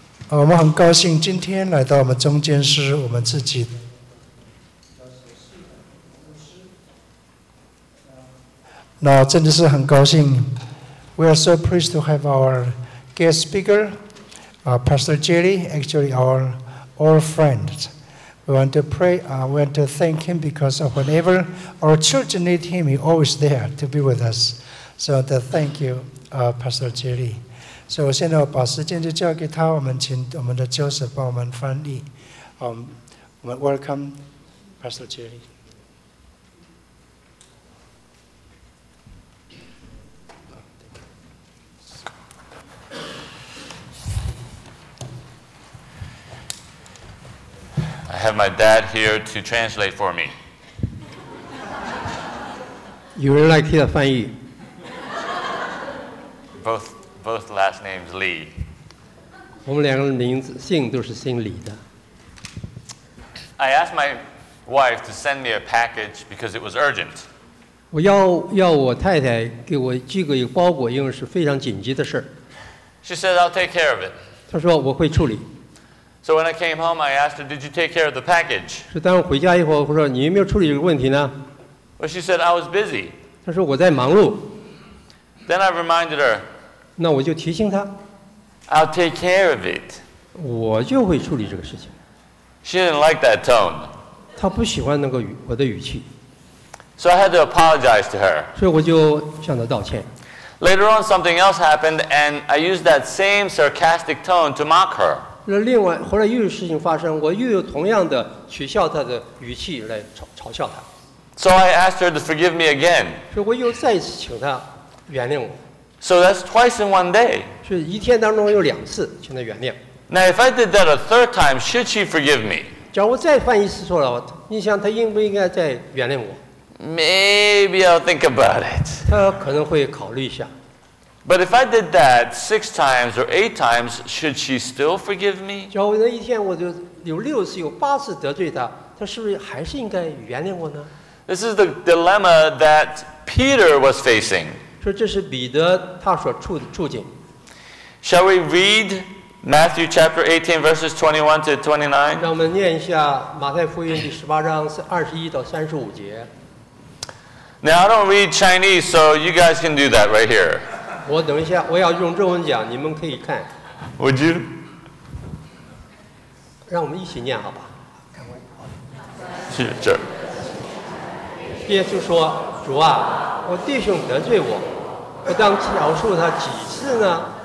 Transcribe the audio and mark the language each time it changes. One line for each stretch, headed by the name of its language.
Chinese: 我们很高兴今天来到我们中间，是我们自己那真的是很高兴。
English: We are so pleased to have our guest speaker, Pastor Jerry, actually our old friend. We want to pray, we want to thank him because of whenever our children need him, he's always there to be with us. So thank you, Pastor Jerry.
Chinese: 所以我现在把时间就交给他，我们请我们的 Joseph 帮我们翻译。我们
English: welcome
Chinese: Pastor Jerry。
English: I have my dad here to translate for me. You really like his 翻译。 Both last names Lee.
Chinese: 我们两个人名字姓都是姓李的。
English: I asked my wife to send me a package because it was urgent.
Chinese: 我 要我太太给我寄个包裹，因为是非常紧急的事。
English: She said, I'll take care of it.
Chinese: 她说我会处理。
English: So when I came home, I asked her, did you take care of the package?
Chinese: 是当我回家以后，我说你有没有处理这个问题呢？
English: Well, she said, I was busy.
Chinese: 她说我在忙碌。
English: Then I reminded her.
Chinese: 那我就提醒她。
English: I'll take care of it.
Chinese: 我就会处理这个事情。
English: She didn't like that tone.
Chinese: 她不喜欢那个语我的语气。
English: So I had to apologize to her.
Chinese: 所以我就向她道歉。
English: Later on, something else happened, and I used that same sarcastic tone to mock her.
Chinese: 另外，后来又有事情发生，我又有同样的取笑她的语气来嘲笑她。
English: So I asked her to forgive me again.
Chinese: 所以我又再次请她原谅我。
English: So that's twice in one day.
Chinese: 所以一天当中有两次请她原谅。
English: Now, if I did that a third time, should she forgive me?
Chinese: 假如我再犯一次错了，你想她应不应该再原谅我？
English: Maybe I'll think about it.
Chinese: 他可能会考虑一下。
English: But if I did that six times or eight times, should she still forgive me?
Chinese: 假如那一天我就有六次、有八次得罪他，他是不是还是应该原谅我呢？
English: This is the dilemma that Peter was facing.
Chinese: 说这是彼得他所处的处境。
English: Shall we read Matthew chapter 18 verses 21 to 29?
Chinese: 让我们念一下马太福音第十八章二十一到三十五节。
English: Now, I don't read Chinese, so you guys can do that right here.
Chinese: 我等一下，我要用中文讲，你们可以看。
English: Would you?
Chinese: 让我们一起念好吧。是这。耶稣说，主啊，我弟兄得罪我，我当饶恕他几次呢？